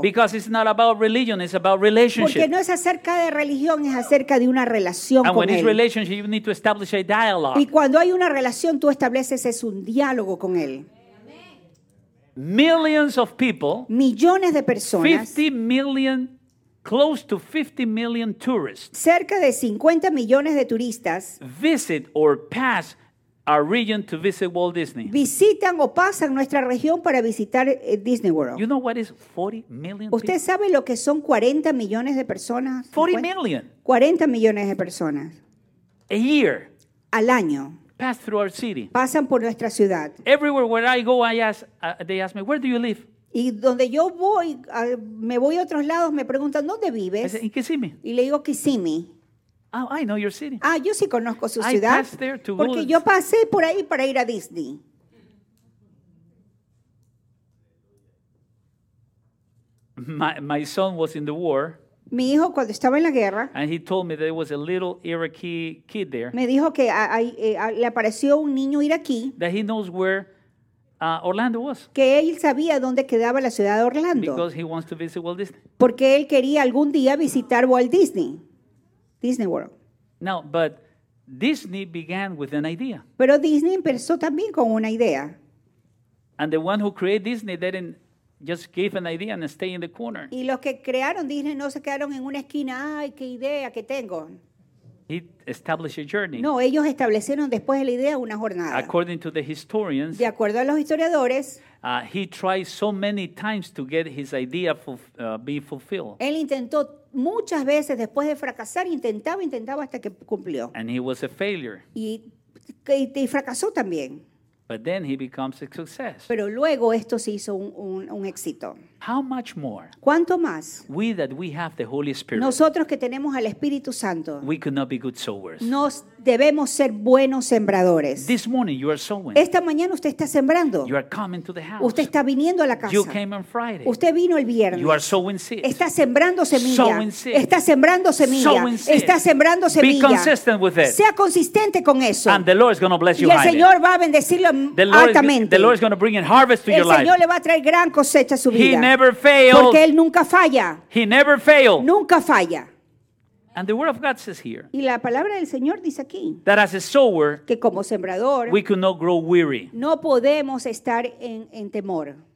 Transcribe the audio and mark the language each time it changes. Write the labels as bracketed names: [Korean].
[English] Because it's not about religion, it's about relationship. [Spanish] Porque no es acerca de religión, es acerca de una relación [English] and [Spanish] con él. [English] And when it's relationship, you need to establish a dialogue. [Spanish] Y cuando hay una relación, tú estableces es un diálogo con él. [English] Millions of people, [Spanish] millones de personas, [English] 50 million, close to 50 million tourists, [Spanish] cerca de 50 millones de turistas, [English] visit or pass our region to visit Walt Disney. [Spanish] Visitan o pasan nuestra región para visitar Disney World. [English] You know what is 40 million? [Spanish] ¿Usted [English] people? [Spanish] Sabe lo que son 40 millones de personas? [English] 40 million. [Spanish] 40 millones de personas. [English] A year. [Spanish] Al año. [English] Pass through our city. [Spanish] Pasan por nuestra ciudad. [English] Everywhere where I go, I ask, they ask me, where do you live? [Spanish] Y donde yo voy, me voy a otros lados, me preguntan, ¿dónde vives? [English] Say, in Kissimmee. [Spanish] Y le digo, Kissimmee. [English] Oh, I know your city. [Spanish] Ah, yo sí conozco su [English] I [Spanish] ciudad. [English] I passed there to [Spanish] porque yo pasé por ahí para ir a Disney. [English] My son was in the war. [Spanish] Mi hijo cuando estaba en la guerra [English] and he told me there was a little Iraqi kid there, [Spanish] me dijo que le apareció un niño iraquí [English] that he knows where, Orlando was. [Spanish] Que él sabía dónde quedaba la ciudad de Orlando [English] because he wants to visit Walt Disney. [Spanish] Porque él quería algún día visitar Walt Disney, Disney World. [English] Now, but Disney began with an idea. [Spanish] Pero Disney empezó también con una idea. [English] And the one who created Disney didn't just gave an idea and stay in the corner. [Spanish] Y los que crearon Disney no se quedaron en una esquina. Ay, qué idea que tengo. [English] He established a journey. [Spanish] No, ellos establecieron después de la idea una jornada. [English] According to the historians. [Spanish] De acuerdo a los historiadores. [English] He tried so many times to get his idea be fulfilled. [Spanish] Él intentó muchas veces después de fracasar, intentaba hasta que cumplió. [English] And he was a failure. [Spanish] Y fracasó también. [English] But then he becomes a success. [Spanish] Pero luego esto se hizo un éxito. [English] How much more? [Spanish] ¿Cuánto más? [English] We that we have the Holy Spirit. [Spanish] Nosotros que tenemos al Espíritu Santo. [English] We could not be good sowers. [Spanish] Nos debemos ser buenos sembradores. [English] This morning you are sowing. [Spanish] Esta mañana usted está sembrando. [English] You are coming to the house. [Spanish] Usted está viniendo a la casa. [English] You came on Friday. [Spanish] Usted vino el viernes. [English] You are sowing seeds. [Spanish] Está sembrando semilla. [English] Sowing seeds. [Spanish] Está sembrando semilla. [English] Sowing seeds. [Spanish] Está sembrando semilla. [English] Be consistent with it. [Spanish] Sea consistente con eso. [English] And the Lord is going to bless you. [Spanish] Y el Señor va a bendecirlo altamente. [English] The Lord is going to bring in harvest to your life. [Spanish] El Señor le va a traer gran cosecha a su vida. [English] He never fails. [Spanish] Porque él nunca falla. [English] He never fails. [Spanish] Nunca falla. [English] And the word of God says here. [Spanish] Y la palabra del Señor dice aquí. [English] That as a sower, [Spanish] que como sembrador, [English] we could not grow weary. [Spanish] No podemos estar en temor.